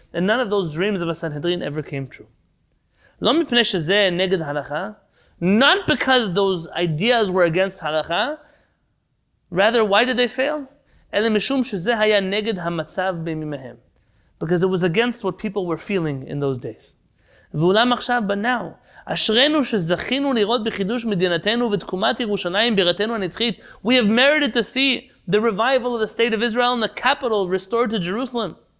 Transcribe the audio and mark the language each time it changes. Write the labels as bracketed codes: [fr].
[en] And none of those dreams of a Sanhedrin ever came true. Not because those ideas were against halacha. Rather, why did they fail? Because it was against what people were feeling in those days. But now, [he] אשרינו שזכינו לראות בחידוש מדינתנו ותקומת ירושלים בירתנו הנצחית. [en] We have merited to see the revival of the state of Israel and the capital restored to Jerusalem.